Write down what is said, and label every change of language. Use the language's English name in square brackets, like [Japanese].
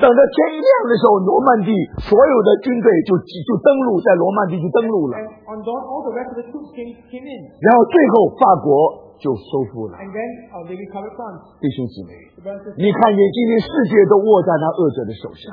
[Chinese] 等到天一亮的时候，罗曼底所有的军队就登陆在罗曼底就登陆了。 [English] And on dawn, all the rest of the troops came in. [Chinese] 然后最后法国就收复了。 [English] And then they recovered France. [Chinese] 弟兄姊妹，你看见今天世界都握在那恶者的手上。